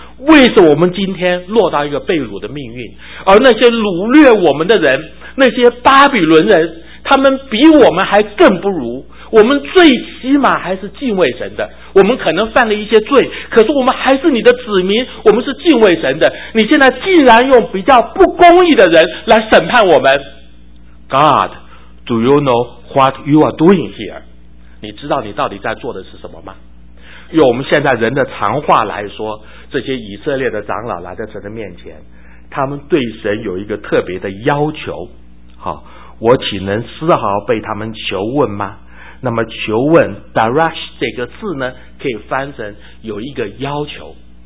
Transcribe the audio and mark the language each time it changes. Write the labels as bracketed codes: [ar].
[zh] 为什么我们今天落到一个被掳的命运，而那些掳掠我们的人，那些巴比伦人，他们比我们还更不如？我们最起码还是敬畏神的，我们可能犯了一些罪，可是我们还是你的子民，我们是敬畏神的，你现在竟然用比较不公义的人来审判我们。 [en] God, do you know what you are doing here? [zh] 你知道你到底在做的是什么吗？用我们现在人的常话来说，这些以色列的长老来在神的面前，他们对神有一个特别的要求。好，我岂能丝毫被他们求问吗？那么求问 darash 这个字呢，可以翻成有一个要求。